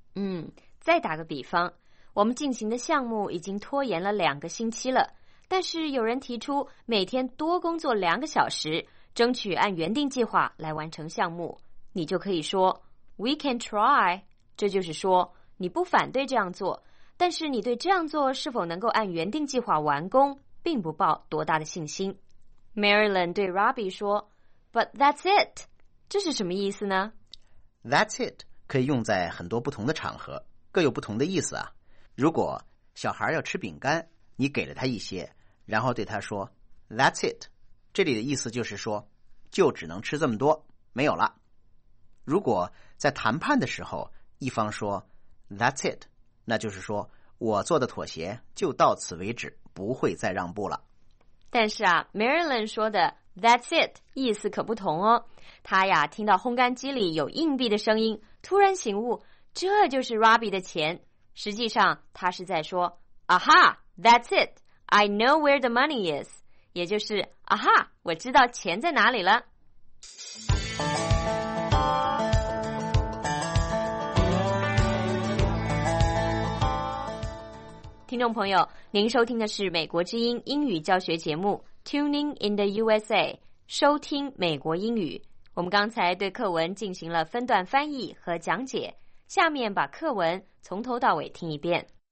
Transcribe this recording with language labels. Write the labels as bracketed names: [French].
[Chinese] 嗯，再打个比方，我们进行的项目已经拖延了两个星期了，但是有人提出每天多工作两个小时，争取按原定计划来完成项目，你就可以说 [English] We can try， [Chinese] 这就是说你不反对这样做，但是你对这样做是否能够按原定计划完工并不抱多大的信心。 Marilyn 对 Robbie 说 [English] But that's it， [Chinese] 这是什么意思呢？ [English] That's it [Chinese] 可以用在很多不同的场合，各有不同的意思啊。如果小孩要吃饼干，你给了他一些，然后对他说 [English] That's it， [Chinese] 这里的意思就是说就只能吃这么多，没有了。如果在谈判的时候一方说 [English] That's it， [Chinese] 那就是说我做的妥协就到此为止，不会再让步了。但是啊 Marilyn 说的 [English] That's it, [Chinese] 意思可不同哦。他呀，听到烘干机里有硬币的声音，突然醒悟，这就是 Robbie 的钱。实际上，他是在说 ， [English] Aha, that's it, I know where the money is， [Chinese] 也就是 Aha, 我知道钱在哪里了。听众朋友，您收听的是美国之音英语教学节目。 [English] Tuning in the USA， [Chinese] 收听美国英语。我们刚才对课文进行了分段翻译和讲解，下面把课文从头到尾听一遍。